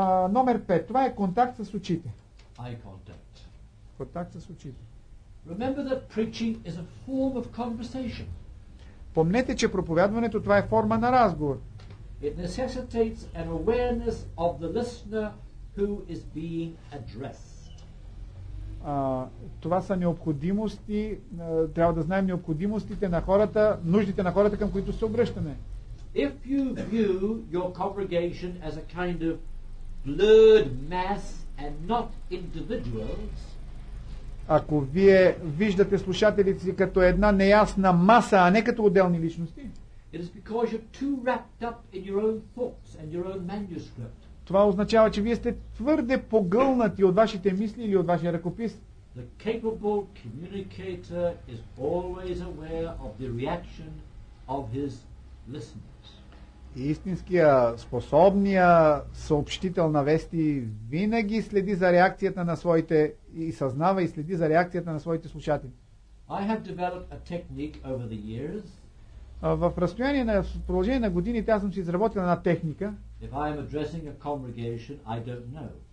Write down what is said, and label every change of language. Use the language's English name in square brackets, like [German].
[Bulgarian] Номер 5, това е контакт с очите. [English] Eye contact. [Bulgarian] Контакт с очите. [English] Remember that preaching is a form of conversation. [Bulgarian] Помнете, че проповядването това е форма на разговор. [English] It necessitates an awareness of the listener who is being addressed. [Bulgarian] Това са необходимости, трябва да знаем необходимостите на хората, нуждите на хората, към които се обръщаме. [English] If you view your congregation as a kind of blurred mass and not individuals, [Bulgarian] ако вие виждате слушателите си като една неясна маса, а не като отделни личности, [English] it is because you're too wrapped up in your own thoughts and your own manuscript. [Bulgarian] Това означава, че вие сте твърде погълнати от вашите мисли или от вашия ръкопис. [English] The capable communicator is always aware of the reaction of his listeners. [Bulgarian] Истинския, способния съобщител на вести винаги следи за реакцията на своите и съзнава и следи за реакцията на своите слушатели. [English] I have developed a technique over the years. [Bulgarian] В разстояние на в продължение на годините аз съм си изработил една техника. [English] If I am addressing a congregation, I don't know.